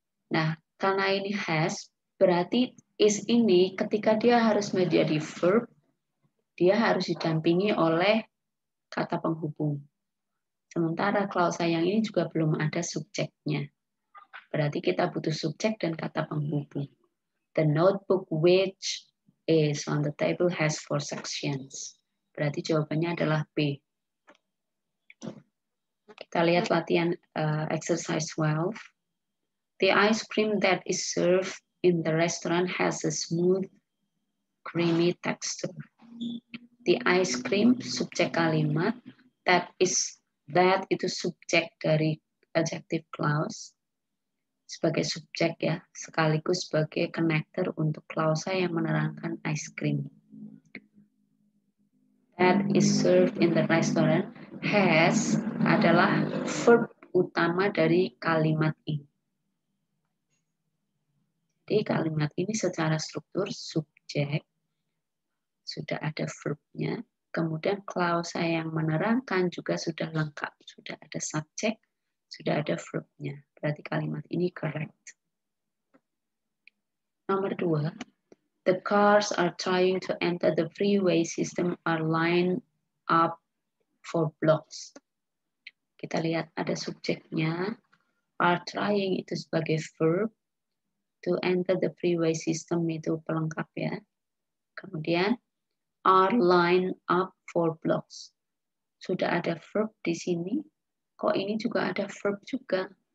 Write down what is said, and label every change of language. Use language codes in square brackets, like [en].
[id] Nah, karena ini has, berarti is ini ketika dia harus menjadi verb, dia harus didampingi oleh kata penghubung. Sementara klausa yang ini juga belum ada subjeknya. Berarti kita butuh subjek dan kata penghubung. [en] The notebook which is on the table has four sections. [id] Berarti jawabannya adalah B. Kita lihat latihan exercise 12. [en] The ice cream that is served in the restaurant has a smooth, creamy texture. [id] The ice cream, subjek kalimat, that itu subjek dari adjective clause, sebagai subjek ya, sekaligus sebagai connector untuk klausa yang menerangkan ice cream. [en] That is served in the restaurant has [id] adalah verb utama dari kalimat ini. Jadi kalimat ini secara struktur subjek sudah ada verbnya, kemudian klausa yang menerangkan juga sudah lengkap, sudah ada subjek, sudah ada verbnya. Berarti kalimat ini correct. Nomor dua, [en] the cars are trying to enter the freeway system are lined up for blocks. [id] Kita lihat ada subjeknya, are trying itu sebagai verb. [en] To enter the freeway system [id] itu pelengkap ya. Kemudian [en] are lined up for blocks. [id] Sudah ada verb di sini. Kok ini juga ada verb juga?